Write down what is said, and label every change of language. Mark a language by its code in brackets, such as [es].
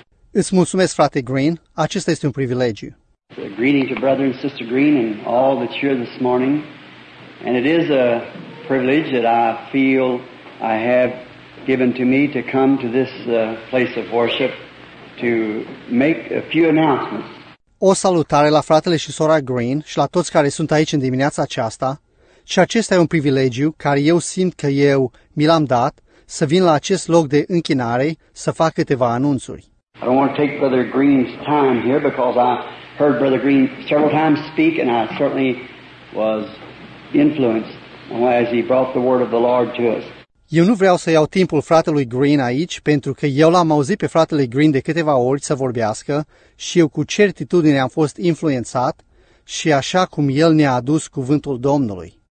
[ro] Îți mulțumesc, frate Green, acesta este un privilegiu. [en] Greetings to brother and sister Green and all that's here this morning. And it is a privilege that I feel I have given to me to come to this place of worship to make a few announcements. [ro] O salutare la fratele și sora Green și la toți care sunt aici în dimineața aceasta. Și acesta e un privilegiu care eu simt că eu mi l-am dat să vin la acest loc de închinare să fac câteva anunțuri. [en] I don't want to take Brother Green's time here because I heard Brother Green several times speak and I certainly was influenced as he brought the word of the Lord to us. [ro] Eu nu vreau să iau timpul fratelui Green aici pentru că eu l-am auzit pe fratele Green de câteva ori să vorbească și eu cu certitudine am fost influențat și așa cum el ne-a adus cuvântul Domnului.